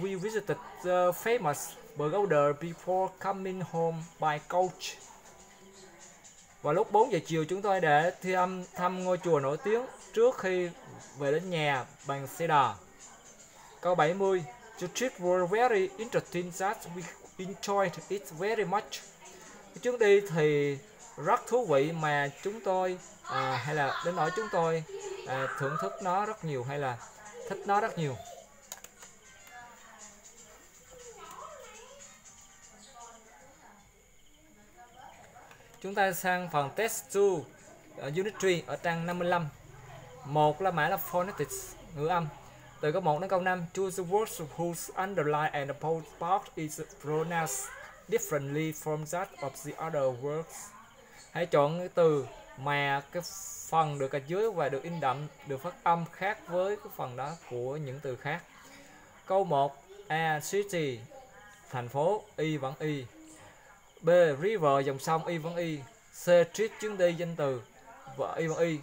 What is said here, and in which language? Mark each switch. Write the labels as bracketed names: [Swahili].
[English] we visited the famous pagoda before coming home by coach. [Vietnamese] Và lúc 4 giờ chiều chúng tôi đã thăm ngôi chùa nổi tiếng trước khi về đến nhà bằng xe đò. Câu 70. [English] The trip was very interesting that we enjoyed it very much. [Vietnamese] Chuyến đi thì rất thú vị mà chúng tôi hay là đến nỗi chúng tôi thưởng thức nó rất nhiều hay là thích nó rất nhiều. Chúng ta sang phần test 2 Unit 3 ở trang 55. Một là mã là phonetics, ngữ âm. Từ câu 1 đến câu 5, [English] choose the words whose underline and post part is pronounced differently from that of the other words. [Vietnamese] Hãy chọn cái từ mà cái phần được gạch dưới và được in đậm, được phát âm khác với cái phần đó của những từ khác. Câu 1, A, city, thành phố, y vẫn y. B, river, dòng sông, y vẫn y. C, trip, chuyến đi, danh từ, vợ, y vẫn y.